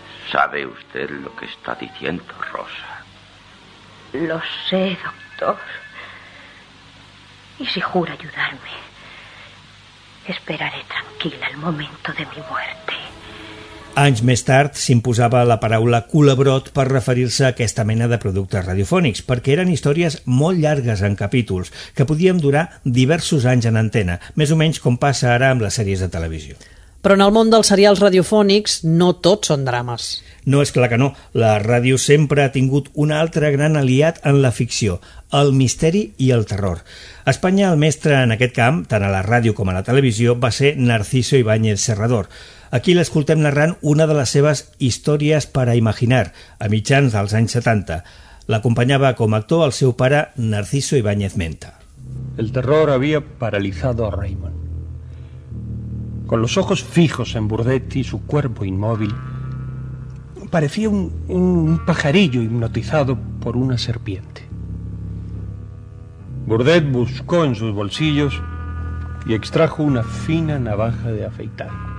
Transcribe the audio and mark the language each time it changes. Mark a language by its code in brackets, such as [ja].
[es] ¿Sabe usted lo que está diciendo, Rosa? Lo sé, doctor. Y si jura ayudarme, esperaré tranquila el momento de mi muerte. [ca] Anys més tard s'imposava la paraula culebrot per referir-se a aquesta mena de productes radiofònics, perquè eren històries molt llargues en capítols, que podien durar diversos anys en antena, més o menys com passa ara amb les sèries de televisió. Però en el món dels serials radiofònics no tots són drames. No, és clar que no. La ràdio sempre ha tingut un altre gran aliat en la ficció, el misteri i el terror. A Espanya, el mestre en aquest camp, tant a la ràdio com a la televisió, va ser Narciso Ibáñez Serrador. Aquí l'escoltem narrant una de les seves històries per a imaginar, a mitjans dels anys 70. L'acompanyava com a actor el seu pare, Narciso Ibáñez Menta. El terror havia paralitzat a Raymond. [es] Con los ojos fijos en Burdetti, su cuerpo inmóvil, parecía un pajarillo hipnotizado por una serpiente. Burdett buscó en sus bolsillos y extrajo una fina navaja de afeitar.